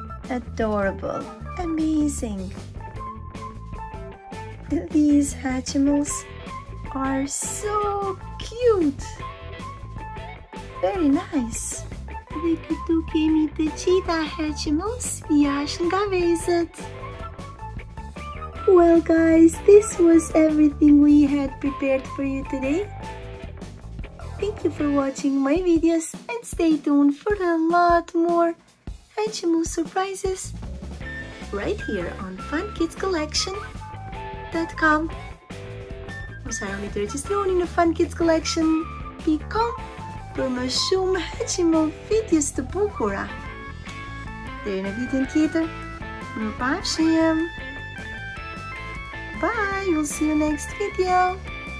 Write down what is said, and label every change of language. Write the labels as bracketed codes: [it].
[en] Adorable, amazing. These Hatchimals are so cute. Very nice. [sq] Dhe këtu kemi të gjitha Hatchimals jashtë nga vezët. [en] Well guys, this was everything we had prepared for you today. Thank you for watching my videos and stay tuned for a lot more Hatchimals surprises right here on funkidscollection.com. [sq] Mos harroni të regjistroni në funkidscollection.com për më shumë Hatchimal videos të bukura. Deri në videon tjetër, më pafshim! [en] Bye, we'll see you next video.